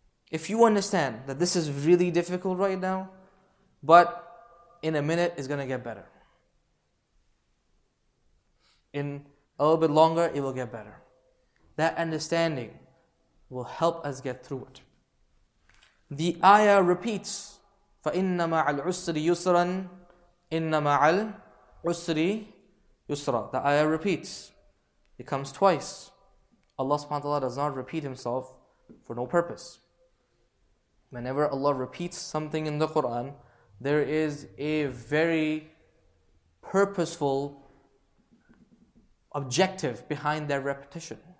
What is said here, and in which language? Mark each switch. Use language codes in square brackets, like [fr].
[en] If you understand that this is really difficult right now, but in a minute, it's going to get better. In a little bit longer, it will get better. That understanding will help us get through it. The ayah repeats, [ar] فَإِنَّ مَعَ الْعُسْرِ يُسْرًا إِنَّ مَعَ الْعُسْرِ يُسْرًا. [en] The ayah repeats. It comes twice. Allah subhanahu wa ta'ala does not repeat himself for no purpose. Whenever Allah repeats something in the Quran, there is a very purposeful objective behind that repetition.